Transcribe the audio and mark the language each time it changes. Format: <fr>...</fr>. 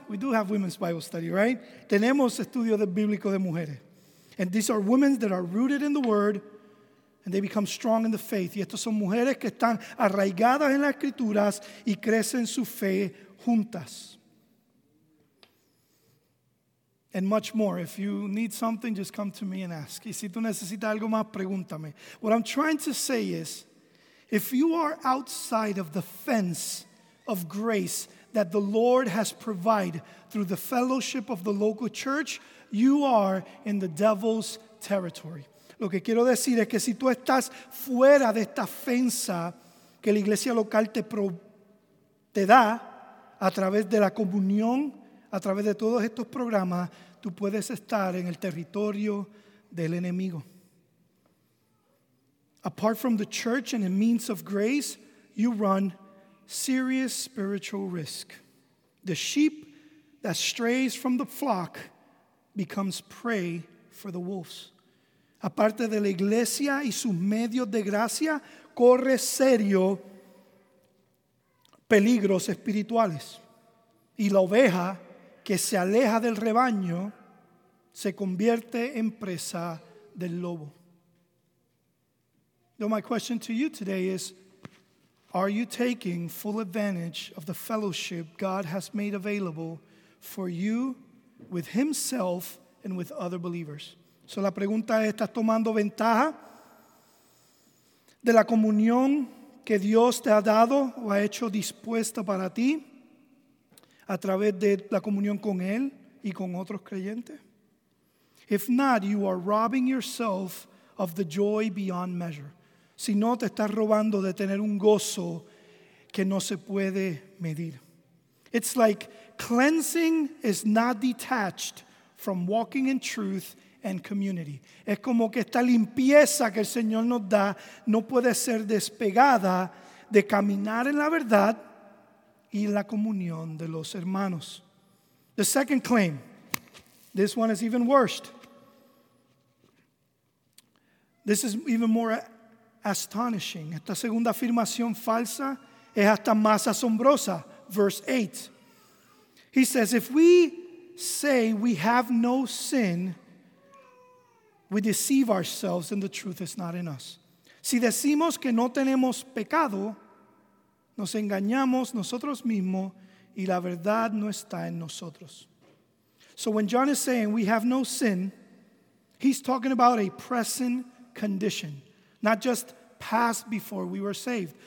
<en>We do have women's Bible study, right?</en> <es>Tenemos estudio bíblico de mujeres.</es> <en>And these are women that are rooted in the word And they become strong in the faith.</en> <es>Y estas son mujeres que están arraigadas en las escrituras y crecen su fe juntas.</es> <en>And much more. If you need something, just come to me and ask.</en> <es>Y si tú necesitas algo más, pregúntame.</es> <en>What I'm trying to say is, if you are outside of the fence of grace that the Lord has provided through the fellowship of the local church, you are in the devil's territory.</en> <es>Lo que quiero decir es que si tú estás fuera de esta fensa que la iglesia local te da a través de la comunión, a través de todos estos programas, tú puedes estar en el territorio del enemigo.</es> <en>Apart from the church and the means of grace, you run serious spiritual risk. The sheep that strays from the flock becomes prey for the wolves.</en> <es>Aparte de la iglesia y sus medios de gracia, corre serio peligros espirituales. Y la oveja que se aleja del rebaño se convierte en presa del lobo.</es> <en>Now my question to you today is, are you taking full advantage of the fellowship God has made available for you with himself and with other believers?</en> <es>So la pregunta es, ¿estás tomando ventaja de la comunión que Dios te ha dado o ha hecho dispuesta para ti a través de la comunión con Él y con otros creyentes?</es> <en>If not, you are robbing yourself of the joy beyond measure.</en> <es>Si no, te estás robando de tener un gozo que no se puede medir.</es> <en>It's like cleansing is not detached from walking in truth and community.</en> <es>Es como que esta limpieza que el Señor nos da no puede ser despegada de caminar en la verdad y la comunión de los hermanos.</es> <en>The second claim, this one is even worse. This is even more astonishing.</en> <es>Esta segunda afirmación falsa es hasta más asombrosa.</es> <en>Verse 8. He says, if we say we have no sin, we deceive ourselves and the truth is not in us.</en> <es>Si decimos que no tenemos pecado, nos engañamos nosotros mismos y la verdad no está en nosotros.</es> <en>So when John is saying we have no sin, he's talking about a present condition, not just past before we were saved.</en>